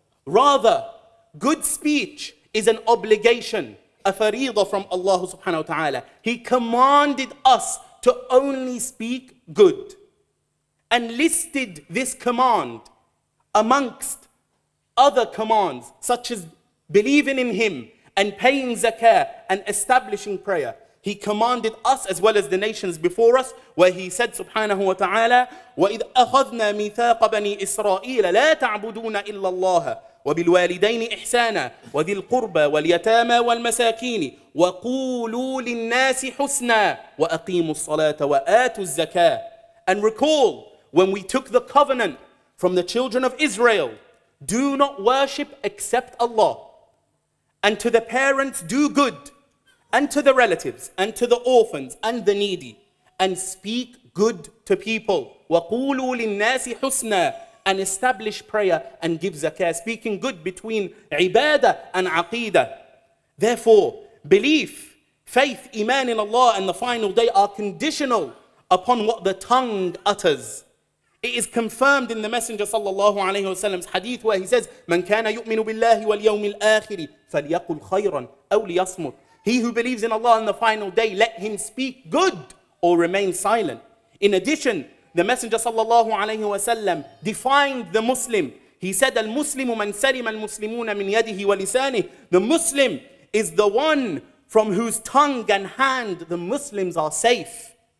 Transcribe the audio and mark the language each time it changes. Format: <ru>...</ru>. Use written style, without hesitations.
<en>Rather, good speech is an obligation, a fariḍa from Allah subhanahu wa ta'ala. He commanded us to only speak good, and listed this command amongst other commands, such as believing in Him and paying zakah and establishing prayer. He commanded us as well as the nations before us, where He said, subhanahu wa ta'ala,</en> <ar>وَإِذْ أَخَذْنَا مِيثَاقَ بَنِي إِسْرَائِيلَ لَا تَعْبُدُونَ إِلَّا اللَّهَ وَبِالْوَالِدَيْنِ إِحْسَانًا وَذِي الْقُرْبَى وَالْيَتَامَى وَالْمَسَاكِينِ وَقُولُوا لِلنَّاسِ حُسْنًا وَأَقِيمُوا الصَّلَاةَ وَآتُوا الزَّكَاةَ.</ar> <en>And recall when we took the covenant from the children of Israel, do not worship except Allah, and to the parents do good, and to the relatives, and to the orphans, and the needy, and speak good to people.</en> <ar>وَقُولُوا لِلنَّاسِ حُسْنًا</ar> <en>and establish prayer and give zakah, speaking good between ibadah and aqeedah. Therefore, belief, faith, iman in Allah and the final day are conditional upon what the tongue utters. It is confirmed in the Messenger sallallahu alayhi wa sallam's hadith where he says,</en> <ar>مَنْ كَانَ يُؤْمِنُ بِاللَّهِ وَالْيَوْمِ الْآخِرِ فَلْيَقُلْ خَيْرًا أَوْ لِيَصْمُرْ.</ar> <en>He who believes in Allah on the final day, let him speak good or remain silent. In addition, the Messenger sallallahu alayhi wa sallam defined the Muslim. He said,</en> <ar>الْمُسْلِمُ مَنْ سَلِمَ الْمُسْلِمُونَ مِنْ يَدِهِ وَلِسَانِهِ.</ar> <en>The Muslim is the one from whose tongue and hand the Muslims are safe.</en>